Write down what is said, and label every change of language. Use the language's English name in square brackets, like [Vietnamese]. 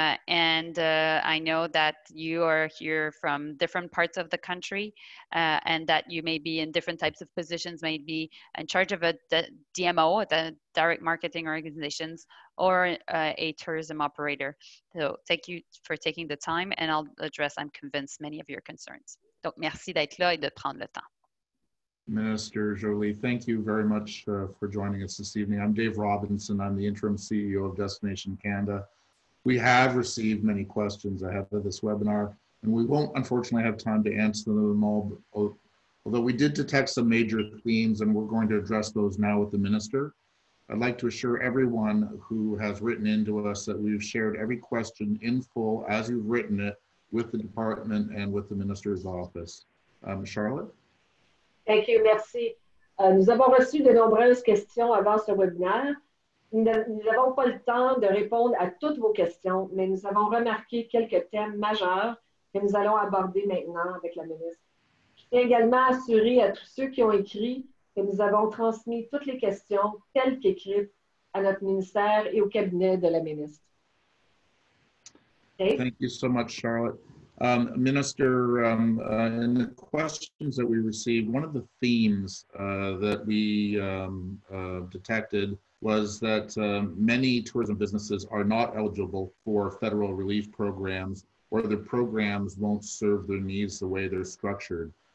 [English] I know that you are here from different parts of the country and that you may be in different types of positions, maybe in charge of a DMO, the direct marketing organizations, or a tourism operator. So thank you for taking the time, and I'll address, I'm convinced, many of your concerns. [French] Donc, merci d'être là et de prendre le temps. [English] Minister Joly, thank you very much for joining us this evening. I'm Dave Robinson. I'm the interim CEO of Destination Canada. We have received many questions ahead of this webinar, and we won't, unfortunately, have time to answer them all, although we did detect some major themes, and we're going to address those now with the minister. I'd like to assure everyone who has written in to us that we've shared every question in full, as you've written it, with the department and with the minister's office. Charlotte? Thank you, [French] merci. Nous avons reçu de nombreuses questions avant ce webinaire. Nous n'avons pas le temps de répondre à toutes vos questions, mais nous avons remarqué quelques thèmes majeurs que nous allons aborder maintenant avec la ministre. Je tiens également à assurer à tous ceux qui ont écrit que nous avons transmis toutes les questions telles qu'écrites à notre ministère et au cabinet de la ministre. [English] Dave? Thank you so much, Charlotte. Minister, in the questions that we received, one of the themes that we detected was that many tourism businesses are not eligible for federal relief programs, or the programs won't serve their needs the way they're structured.